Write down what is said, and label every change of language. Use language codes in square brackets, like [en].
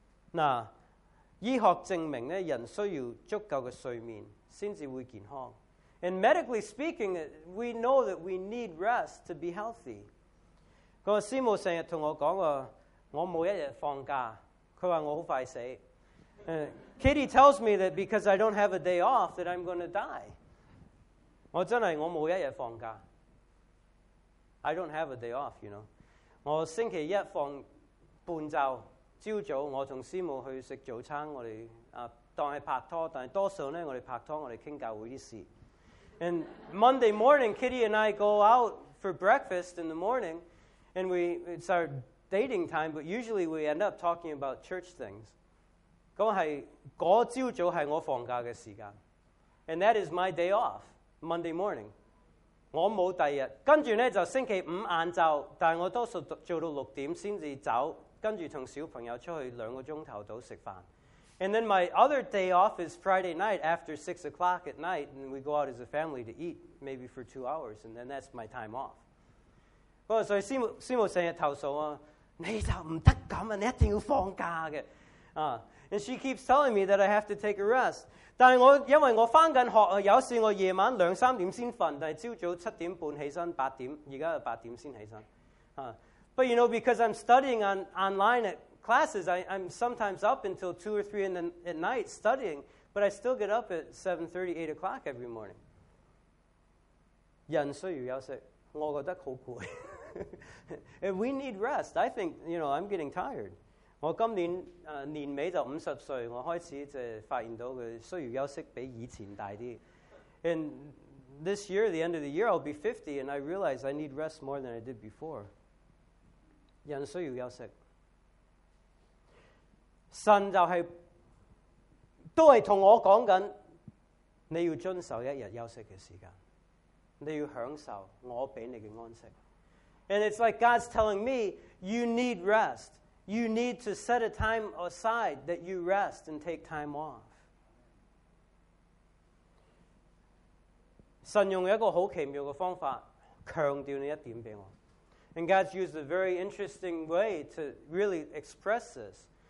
[yue] 那医学证明呢，人需要足够的睡眠，先至会健康。 [en] And medically speaking, we know that we need rest to be healthy. [yue] 那个师母成日同我讲话，我冇一日放假，佢话我好快死。 [en] Kitty tells me that because I don't have a day off, that I'm going to die. [yue] 我真的我冇一日放假 [en] I don't have a day off, you know. [yue] 我星期一放半昼，朝早我同师母去食早餐，我哋啊当系拍拖，但系多数咧我哋拍拖，我哋倾教会啲事。 [en] And Monday morning, Kitty and I go out for breakfast in the morning, and it's our dating time, but usually we end up talking about church things. [yue] 嗰系嗰朝早系我放假嘅时间 [en] ，and that is my day off. Monday morning, [yue] 我冇第日。跟住咧就星期五晏昼，但系我多数做到六点先至走，跟住同小朋友出去两个钟头到食饭。 [en] And then my other day off is Friday night after 6 o'clock at night, and we go out as a family to eat maybe for 2 hours, and then that's my time off. [yue] 不过所以师母成日投诉我，你就唔得咁啊，你一定要放假嘅啊。 [en] And she keeps telling me that I have to take a rest. [yue] 但我因為我翻緊學，有時我夜晚兩三點先瞓，但係朝早七點半起身，八點而家係八點先起身。 [en] But you know, because I'm studying online at classes, I'm sometimes up until 2 or 3 at night studying, but I still get up at 7:30, 8 o'clock every morning. [yue] 人需要休息，我覺得好攰。 [en] And we need rest. I think you know, I'm getting tired. [yue] 我今年年尾就50岁，我开始就发现到佢需要休息比以前大啲。 [en] And this year, the end of the year, I'll be 50, and I realize I need rest more than I did before. [yue] 人需要休息，神就系都系同我讲紧，你要遵守一日休息嘅时间，你要享受我俾你嘅安息。 [en] And it's like God's telling me, you need rest. You need to set a time aside that you rest and take time off. [yue] 神用一个好奇妙的方法强调呢一点俾我。 [en] And God's used a very interesting way to really express this.